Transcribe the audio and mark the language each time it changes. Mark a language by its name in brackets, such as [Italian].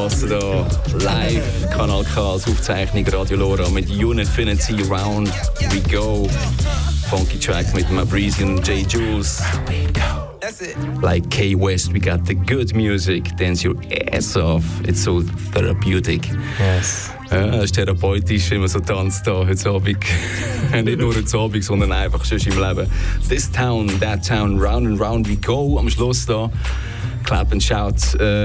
[German] Wasser da live Kanal K als Aufzeichnung Radio Lora mit Unifinity Round We Go. Funky Track mit Mabreezy und J. Jules. [English] Like Kay West, we got the good music. Dance your ass off. It's so therapeutic. Yes. [German] Ja, ist therapeutisch, wenn man so tanzt da heute Abend. Nicht nur heute Abend, sondern einfach sonst im Leben. [English] This town, that town, round and round we go. [German] Am Schluss da. [English] Clap and shout.